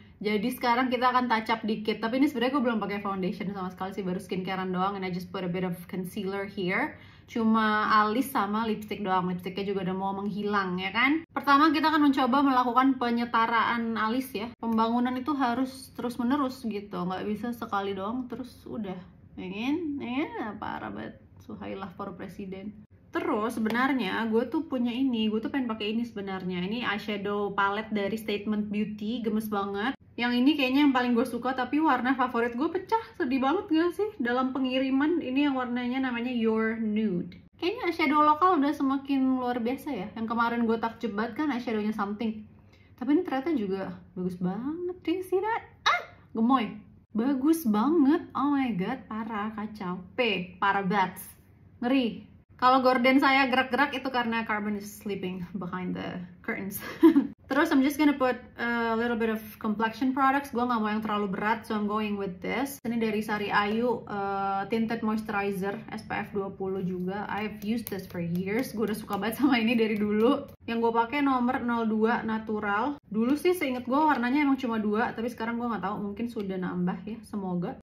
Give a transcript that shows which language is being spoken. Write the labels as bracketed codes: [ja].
[id] Jadi sekarang kita akan touch up dikit. Tapi ini sebenarnya gue belum pakai foundation sama sekali sih, baru skincarean doang. [en] And I just put a bit of concealer here. [id] Cuma alis sama lipstick doang. Lipsticknya juga udah mau menghilang, ya kan? Pertama kita akan mencoba melakukan penyetaraan alis ya. Pembangunan itu harus terus-menerus gitu. Nggak bisa sekali doang terus udah. Ingin? Parah banget. Suhailah for president. Terus sebenarnya gue tuh punya ini, gue tuh pengen pakai ini sebenarnya. Ini eyeshadow palette dari Statement Beauty, gemes banget. Yang ini kayaknya yang paling gue suka, tapi warna favorit gue pecah, sedih banget gak sih? Dalam pengiriman ini yang warnanya namanya Your Nude. Kayaknya eyeshadow lokal udah semakin luar biasa ya. Yang kemarin gue takjub banget kan eyeshadownya something. Tapi ini ternyata juga bagus banget, [en] do you see that? [id] Ah, gemoy. Bagus banget, [en] oh my god, [id] parah, kacau. P, parah banget, ngeri. Kalau gorden saya gerak-gerak itu karena [en] carbon is sleeping behind the curtains. Terus I'm just gonna put a little bit of complexion products. [id] Gua nggak mau yang terlalu berat, [en] so I'm going with this. [id] Ini dari Sari Ayu tinted moisturizer SPF 20 juga. [en] I've used this for years. [id] Gua udah suka banget sama ini dari dulu. Yang gua pakai nomor 02 natural. Dulu sih seinget gua warnanya emang cuma 2, tapi sekarang gua nggak tahu, mungkin sudah nambah ya, semoga.